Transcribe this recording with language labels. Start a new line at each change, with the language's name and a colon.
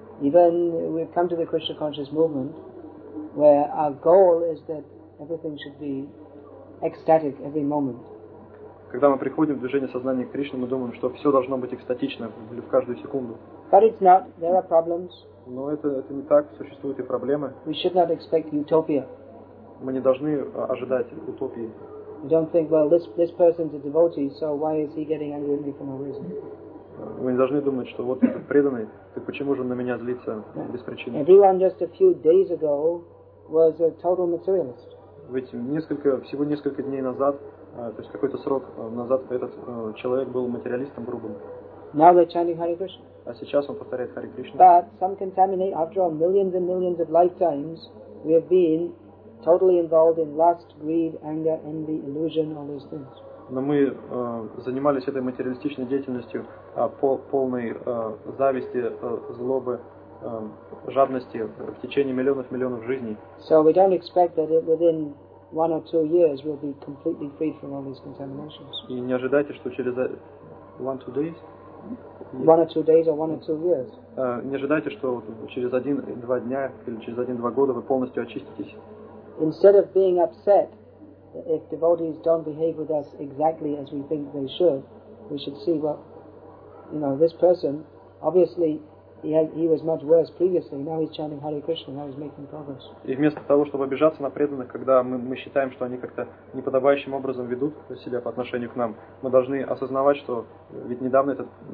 English: Even we've come to the Krishna conscious movement, where our goal is that everything should be ecstatic every moment.
Russian: Когда мы приходим в движение сознания к Кришне, мы думаем, что все должно быть экстатично в каждую секунду.
English: But it's not. There are problems.
Russian: Но это не так. Существуют и проблемы.
English: We should not expect utopia.
Russian: Мы не должны ожидать утопии.
English: We don't think, well, this person's a devotee, so why is he getting angry at me for no reason?
Russian: Мы не должны думать, что вот этот преданный, так почему же он на меня злится без причины?
English: Everyone just a few days ago was a total materialist.
Russian: Ведь всего несколько дней назад, то есть какой-то срок назад, этот человек был материалистом грубым.
English: Now they're chanting Hare Krishna.
Russian: А сейчас он повторяет Hare Krishna.
English: But some contaminate, after all, millions and millions of lifetimes, we have been totally involved in lust, greed, anger, envy, illusion, all those things.
Russian: Но мы занимались этой материалистичной деятельностью полной зависти, злобы, жадности в течение миллионов жизней.
English: So we don't expect that within one or two years we'll be completely free from all these contaminations.
Russian: И не ожидайте, что через
English: one two days. One or two days or one or two years.
Russian: Не ожидайте, что через 1-2 дня или через 1-2 года вы полностью очиститесь.
English: Instead of being upset if devotees don't behave with us exactly as we think they should, we should see, well, you know, this person, obviously, he was much worse previously. Now he's chanting Hare Krishna, now he's making progress.
Russian: И вместо того, чтобы обижаться на преданных, когда мы считаем, что они как-то неподобающим образом ведут себя по отношению к нам, мы должны осознавать, что ведь недавно этот...